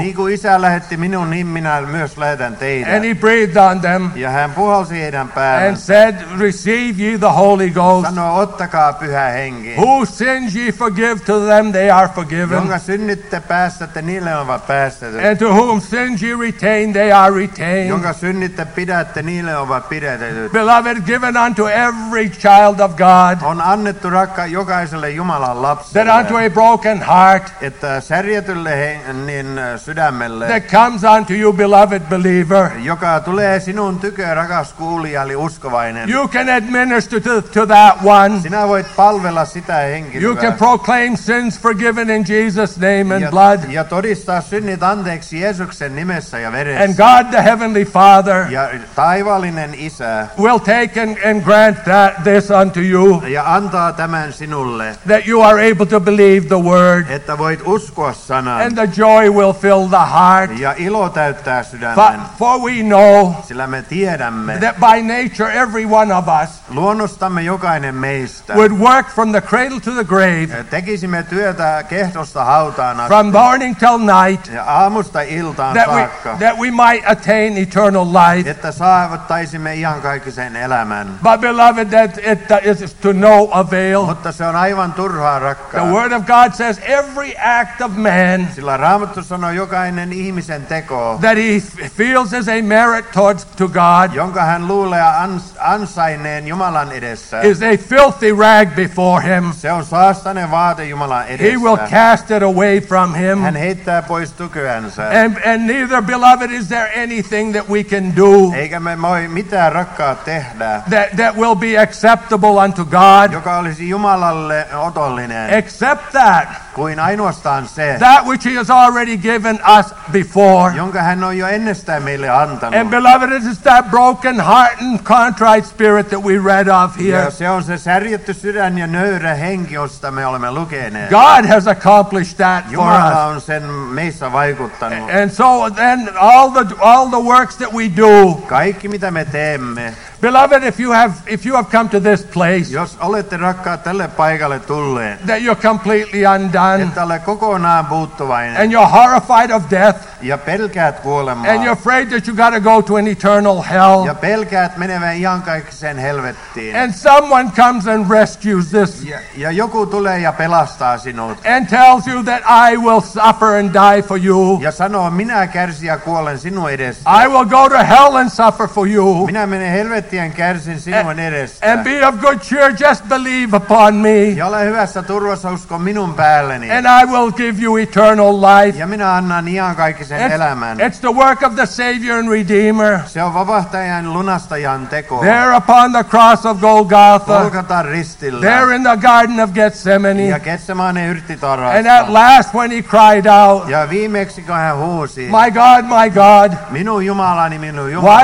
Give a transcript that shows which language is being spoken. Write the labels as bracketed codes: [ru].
[fi] niin kuin isä lähetti minun, niin minä myös lähetän teidät, [en] and he breathed on them, [fi] ja hän puhalsi heidän päälle, [en] and said, receive ye the Holy Ghost, [fi] sanoi, ottakaa pyhä henki, [en] whose sins ye forgive to them they are forgiven, [fi] jonka synnit te päästätte niille ovat päästetyt, [en] and to whom sins ye retain they are retained, [fi] jonka synnit te pidätte niille ovat pidätetyt, [en] beloved, given unto every child of God, [fi] on annettu rakka jokaiselle Jumalan lapselle, [en] that unto a broken heart, [fi] että särjetylle niin sydämelle, [en] that comes unto you, beloved believer, [fi] joka tulee sinun tyköön, rakas kuulija, eli uskovainen, [en] you can administer to that one, [fi] sinä voit palvella sitä henkilöä, [en] you can proclaim sins forgiven in Jesus' name and blood, [fi] ja todistaa synnit anteeksi Jeesuksen nimessä ja veressä, [en] and God the Heavenly Father, [fi] ja taivaallinen Isä, [en] will take and grant that this unto you, [fi] ja antaa tämän sinulle, [en] that you are able to believe the word, [fi] että voit uskoa sanan, [en] and the joy will fill the heart, [fi] ja ilo täyttää sydämen, [en] for we know, [fi] sillä me tiedämme, [en] that by nature every one of us, [fi] luonnostamme jokainen meistä, [en] would work from the cradle to the grave, [fi] tekisimme työtä kehdosta hautaan asti, [en] from morning till night, [fi] ja aamusta iltaan saakka, [en] that we might attain eternal life, [fi] että saavuttaisimme iankaikkisen elämän, [en] but beloved, that it is to no avail, [fi] mutta se on aivan turhaa, rakkaan, [en] the word of God says every act of man, [fi] sillä Raamattu sanoo, jokainen ihmisen teko, [en] that he feels as a merit towards to God, [fi] jonka hän luulee ansainneen Jumalan edessä, [en] is a filthy rag before him, [fi] se on saastainen vaate Jumalan edessä, [en] he will cast it away from him, [fi] hän heittää pois tukyänsä, [en] and neither, beloved, is there anything that we can do, [fi] eikä me voi mitään, rakkaat, tehdä, [en] that will be acceptable unto God, [fi] joka olisi Jumalalle otollinen, [en] except that, [fi] kuin ainoastaan se, [en] that which he has already given us before, [fi] jonka hän on jo ennestään meille antanut, [en] and beloved, it is that broken heart and contrite spirit that we read of here, [fi] ja se on se särjetty sydän ja nöyrä henki, josta me olemme lukeneet, [en] God has accomplished that, [fi] Jumala [en] for us, [fi] on sen meissä vaikuttanut, [en] and so then all the works that we do, [fi] kaikki mitä me teemme, [en] Beloved, if you have come to this place, [fi] jos olette rakkaat tälle paikalle tulleet, [en] that you're completely undone, [fi] että olet kokonaan puuttuvainen, [en] and you're horrified of death, [fi] ja pelkäät kuolemaa, [en] and you're afraid that you got to go to an eternal hell, [fi] ja pelkäät menevän iankaikkiseen helvettiin, [en] and someone comes and rescues this, [fi] ja joku tulee ja pelastaa sinut, [en] and tells you that I will suffer and die for you, [fi] ja sanoo, minä kärsin ja kuolen sinun edestä, [en] I will go to hell and suffer for you, [fi] minä menen helvettiin kärsin sinun edestä, [en] and be of good cheer, just believe upon me, [fi] ja ole hyvässä turvassa, usko minun päälleni, [en] and I will give you eternal life, [fi] ja minä annan iankaikkisen elämän. [en] It's the work of the Savior and Redeemer. [fi] Se on vapahtajan lunastajan teko. [en] There upon the cross of Golgotha. [fi] Golgotan ristillä. [en] There in the Garden of Gethsemane. [fi] Ja Getsemanen yrttitarhassa. [en] And at last when he cried out. [fi] Ja viimeksi kun hän huusi. [en] My God, [fi] minun Jumalani, minun Jumalani.